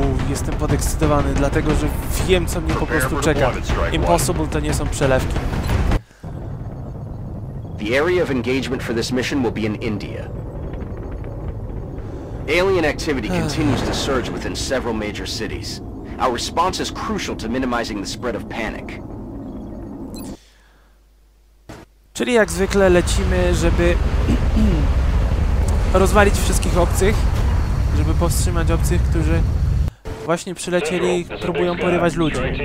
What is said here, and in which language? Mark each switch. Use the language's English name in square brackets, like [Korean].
[Polish] Jestem podekscytowany, dlatego że wiem, co mnie po prostu czeka. Impossible to nie są przelewki. [English] The area of engagement for this mission will be in India. Alien activity continues to surge within several major cities. Our response is crucial to minimizing the spread of panic. [Polish] Czyli jak zwykle lecimy, żeby rozwalić wszystkich obcych, żeby powstrzymać obcych, którzy właśnie przylecieli, próbują porywać ludzi.